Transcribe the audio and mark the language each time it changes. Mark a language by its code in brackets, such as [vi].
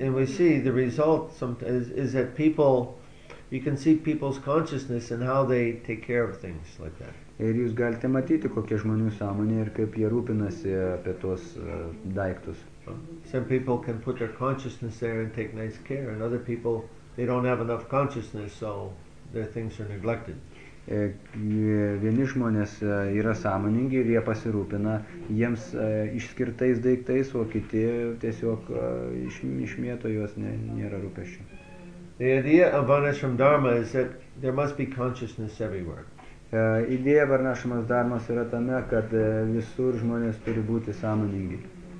[en] And we see the result sometimes is that people, you can see people's consciousness and how they take care of things like that. [lt] Ir jūs galite matyti, kokie žmonių sąmonė ir kaip jie rūpinasi apie tuos daiktus. [en] Some people can put their consciousness there and take nice care, and other people, they don't have enough consciousness, so their things are neglected. [lt] Vieni žmonės yra sąmoningi ir jie pasirūpina jiems išskirtais daiktais, o kiti tiesiog išmėto juos, nėra rūpesčio. [en] The idea of Varnashram Dharma is that there must be consciousness everywhere. [lt] Idėja Varnashramas Dharmas yra tame, kad visur žmonės turi būti sąmoningi.